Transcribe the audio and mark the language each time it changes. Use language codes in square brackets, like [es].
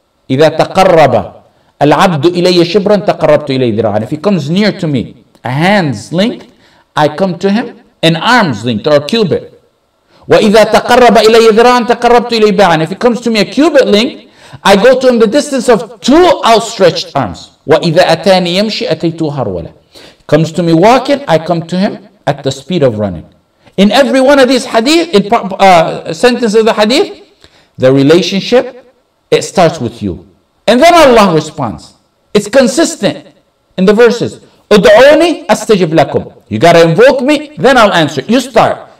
[ar] إِذَا تَقَرَّبَ الْعَبْدُ إِلَيَّ شِبْرًا تَقَرَّبْتُ إِلَيَّ ذِرَعًا. [en] If he comes near to me, a hand's length, I come to him an arm's length or a cubit. [ar] وَإِذَا تَقَرَّبَ إِلَيَّ ذِرَعًا تَقَرَّبْتُ إِلَيَّ بَعًا. [en] If he comes to me a cubit length, I go to him the distance of two outstretched arms. [ar] وَإِذَا أَتَانِي يَمْشِي أَتَيْتُ هَرْوَلًا. [en] Comes to me walking, I come to him at the speed of running. In every one of these hadith, sentences of the hadith, the relationship, it starts with you. And then Allah responds. It's consistent in the verses. [ar] Ud'uni astajib lakum. [en] You got to invoke me, then I'll answer. You start.